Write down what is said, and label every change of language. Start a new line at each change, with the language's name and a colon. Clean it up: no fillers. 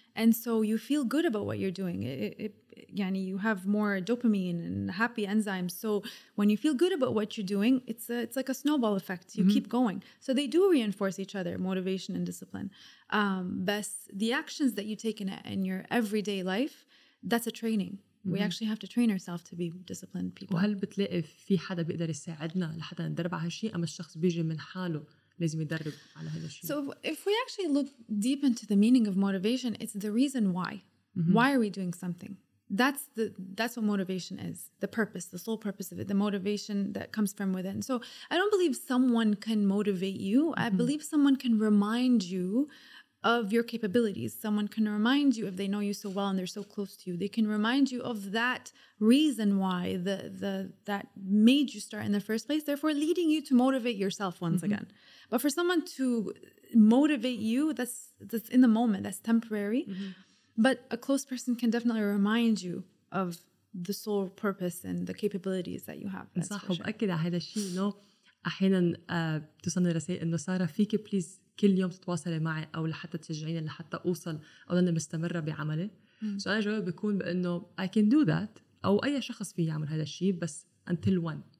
English: And so you feel good about what you're doing.
Arabic: يعني
English: you have more dopamine and happy enzymes. So when you feel good about what you're doing, it's like a snowball effect. You keep going. So they do reinforce each other, motivation and discipline. But the actions that you take in your everyday life, that's a training. We actually have to train ourselves to be disciplined people.
Arabic: وهل بتلاقي في حدا بيقدر يساعدنا لحتى ندرب على هالشيء, أم الشخص بيجي من حاله لازم يدرب على هذا الشيء؟
English: So if we actually look deep into the meaning of motivation, it's the reason why. Why are we doing something? That's what motivation is. The purpose, the sole purpose of it, the motivation that comes from within. So I don't believe someone can motivate you. I believe someone can remind you of your capabilities. Someone can remind you, if they know you so well and they're so close to you, they can remind you of that reason why that made you start in the first place, therefore leading you to motivate yourself once again. But for someone to motivate you, that's in the moment, that's temporary. But a close person can definitely remind you of the sole purpose and the capabilities that you have.
Arabic: That's صح, وبأكد على هذا الشيء إنه أحياناً توصلني رسائل إنه سارة فيك بليز كل يوم تتواصلي معي أو لحتى تشجعيني لحتى أوصل أو لأني مستمرة بعملي. So أنا جواب بيكون بأنه
English: I can do that,
Arabic: أو أي شخص فيه يعمل هذا الشيء, بس
English: until one.